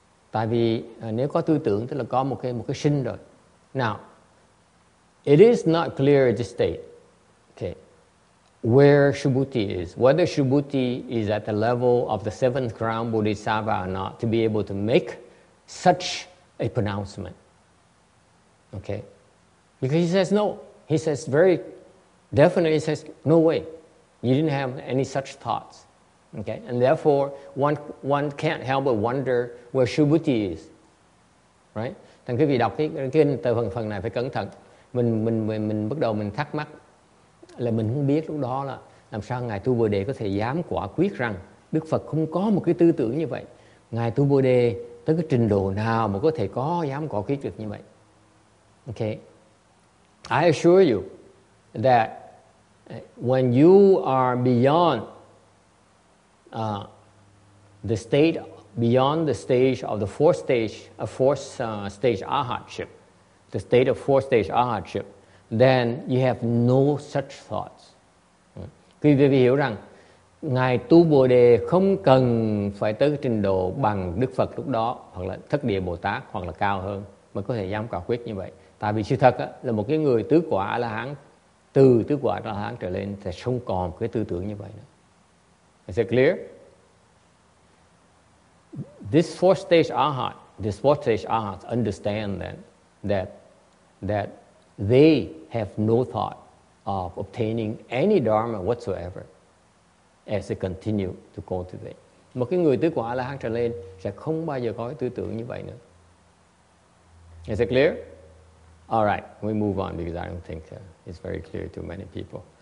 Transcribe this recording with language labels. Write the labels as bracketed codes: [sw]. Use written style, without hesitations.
[vi] Tại vì nếu có tư tưởng tức là có một cái sinh rồi. [en] Now, it is not clear at this state. Where Shubhuti is, whether Shubhuti is at the level of the seventh crown Bodhisattva or not, to be able to make such a pronouncement. Okay? Because he says no. He says very definitely, he says, no way. You didn't have any such thoughts. Okay? And therefore, one can't help but wonder where Shubhuti is. Right? [vi] Thành quý vị đọc cái từ phần này phải cẩn thận. Mình bắt đầu mình thắc mắc. Là mình không biết lúc đó là làm sao Ngài Tu Bồ Đề có thể dám quả quyết rằng Đức Phật không có một cái tư tưởng như vậy. Ngài Tu Bồ Đề tới cái trình độ nào mà có thể có dám quả quyết được như vậy. [en] Okay. I assure you that when you are beyond the fourth stage of ahatship, then you have no such thoughts. [vi] Quý vị hiểu rằng Ngài Tu Bồ Đề không cần phải tới trình độ bằng Đức Phật lúc đó, hoặc là Thất Địa Bồ Tát, hoặc là cao hơn, mới có thể dám quả quyết như vậy. Tại vì sự thật là một cái người tứ quả A-la-hán, từ tứ quả A-la-hán trở lên sẽ không còn cái tư tưởng như vậy nữa. [en] Is it clear? This fourth stage Arhat understand that they have no thought of obtaining any dharma whatsoever as they continue to cultivate. [vi] Một cái người tứ quả A-la-hán trở lên sẽ không bao giờ có cái tư tưởng như vậy nữa. [en] Is it clear? All right, we move on because I don't think it's very clear to many people.